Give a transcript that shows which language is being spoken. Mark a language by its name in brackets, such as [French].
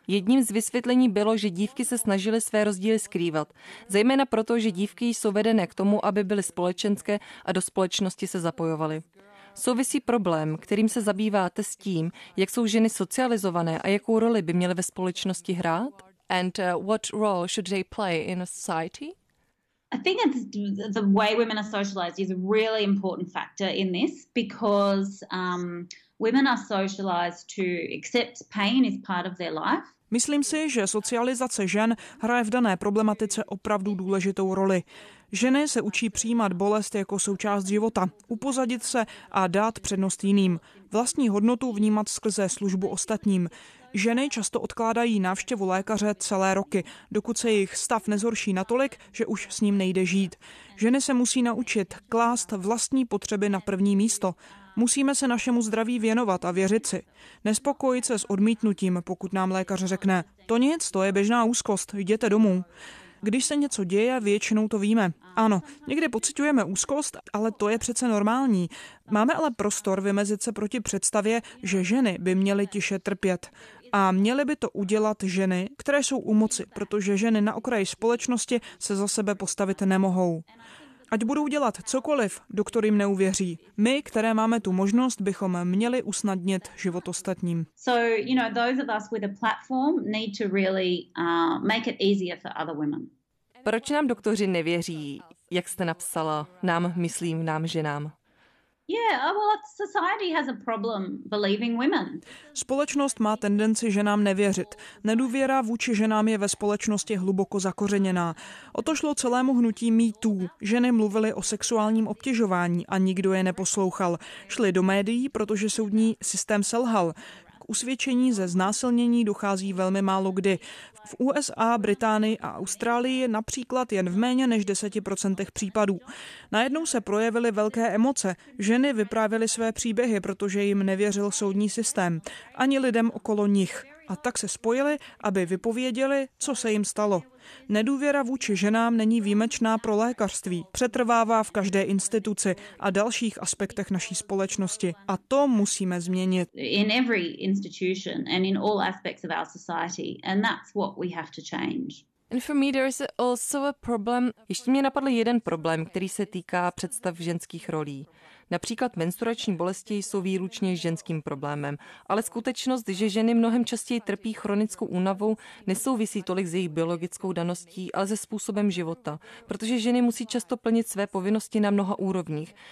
[Czech] Jedním z vysvětlení bylo, že dívky se snažily své rozdíly skrývat. Zejména proto, že dívky jsou vedené k tomu, aby byly společenské a do společnosti se zapojovaly. Souvisí problém, kterým se zabýváte, s tím, jak jsou ženy socializované a jakou roli by měly ve společnosti hrát? [English] And what role should they play in a society? I think it's the way women are socialized is a really important factor in this because women are socialized to accept pain as part of their life. [Czech] Myslím si, že socializace žen hraje v dané problematice opravdu důležitou roli. Ženy se učí přijímat bolest jako součást života, upozadit se a dát přednost jiným. Vlastní hodnotu vnímat skrze službu ostatním. Ženy často odkládají návštěvu lékaře celé roky, dokud se jejich stav nezhorší natolik, že už s ním nejde žít. Ženy se musí naučit klást vlastní potřeby na první místo. Musíme se našemu zdraví věnovat a věřit si. Nespokojit se s odmítnutím, pokud nám lékař řekne, to nic, to je běžná úzkost, jděte domů. Když se něco děje, většinou to víme. Ano, někdy pociťujeme úzkost, ale to je přece normální. Máme ale prostor vymezit se proti představě, že ženy by měly tiše trpět. A měly by to udělat ženy, které jsou u moci, protože ženy na okraji společnosti se za sebe postavit nemohou. Ať budou dělat cokoliv, doktor jim neuvěří. My, které máme tu možnost, bychom měli usnadnit život ostatním. [English] So, you know, those of us with a platform need to really make it easier for other women. [Czech] Proč nám doktoři nevěří, jak jste napsala, nám, myslím, nám, ženám? [English] Yeah, well, society has a problem believing women. [Czech] Společnost má tendenci ženám nevěřit. Nedůvěra vůči ženám je ve společnosti hluboko zakořeněná. O to šlo celému hnutí MeToo. Ženy mluvily o sexuálním obtěžování a nikdo je neposlouchal. Šly do médií, protože soudní systém selhal. Usvědčení ze znásilnění dochází velmi málo kdy. V USA, Británii a Austrálii například jen v méně než 10% případů. Najednou se projevily velké emoce. Ženy vyprávěly své příběhy, protože jim nevěřil soudní systém. Ani lidem okolo nich. A tak se spojili, aby vypověděli, co se jim stalo. Nedůvěra vůči ženám není výjimečná pro lékařství. Přetrvává v každé instituci a dalších aspektech naší společnosti. A to musíme změnit. [English] In every institution and in all aspects of our society, and that's what we have to change. And for me there is also a problem. [Czech] Ještě mě napadl jeden problém, který se týká představ ženských rolí. Například menstruační bolesti jsou výlučně ženským problémem, ale skutečnost, že ženy mnohem častěji trpí chronickou únavou, nesouvisí tolik s jejich biologickou daností, ale se způsobem života, protože ženy musí často plnit své povinnosti na mnoha úrovních.